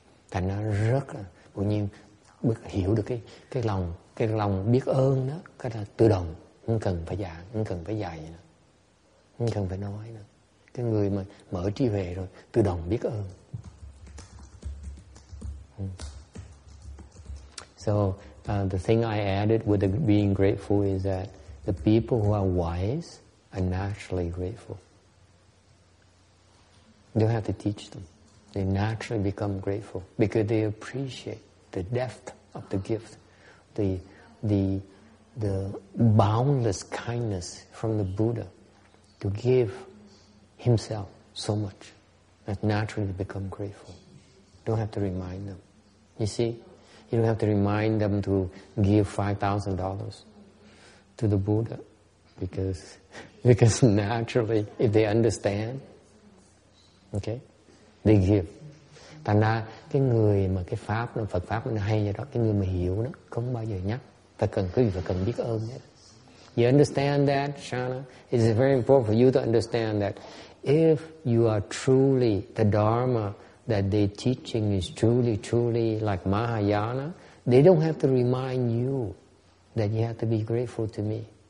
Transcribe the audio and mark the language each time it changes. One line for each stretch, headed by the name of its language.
Vietnamese: Thành nó rất là tự nhiên hiểu được cái lòng biết ơn đó, cái là tự động, không cần phải giảng, không cần phải dạy nữa, không cần phải nói nữa. Cái người mà mở trí huệ rồi tự động biết ơn.
English: So the thing I added with the being grateful is that the people who are wise are naturally grateful. You don't have to teach them. They naturally become grateful because they appreciate the depth of the gift, the boundless kindness from the Buddha to give himself so much that naturally they become grateful. Don't have to remind them. You see, you don't have to remind them to give $5,000 to the Buddha because naturally, if they understand, okay, they give.
Vietnamese: Thành ra cái người mà cái pháp nó Phật pháp nó hay vậy đó, cái người mà hiểu nó không bao giờ nhắc. Phải cần biết ơn hết.
English: You understand that, Shana? It's very important for you to understand that if you are truly the Dharma that they're teaching is truly, truly like Mahayana, They don't have to remind you that you have to be grateful to me.